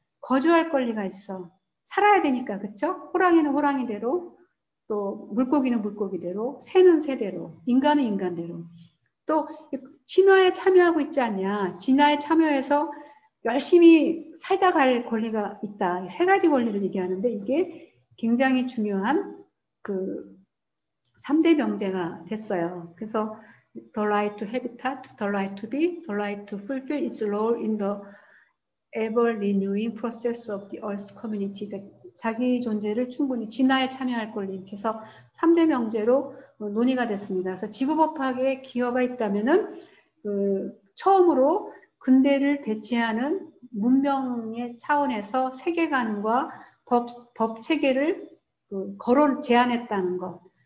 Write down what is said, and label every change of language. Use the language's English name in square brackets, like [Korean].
[Korean] 거주할 권리가 있어. 살아야 되니까, 그렇죠? 호랑이는 호랑이대로, 또 물고기는 물고기대로, 새는 새대로, 인간은 인간대로. 또 진화에 참여하고 있지 않냐? 진화에 참여해서 열심히 살다 갈 권리가 있다. 세 가지 권리를 얘기하는데 이게 굉장히 중요한 그 3대 명제가 됐어요. 그래서 [English] The right to habitat, the right to be, the right to fulfill its role in the ever renewing process of the Earth community. [Korean] 자기 존재를 충분히 진화에 참여할 권리. 이렇게 해서 3대 명제로 논의가 됐습니다. 그래서 지구법학에 기여가 있다면은 그 처음으로 근대를 대체하는 문명의 차원에서 세계관과 법 체계를 제안했다는 것.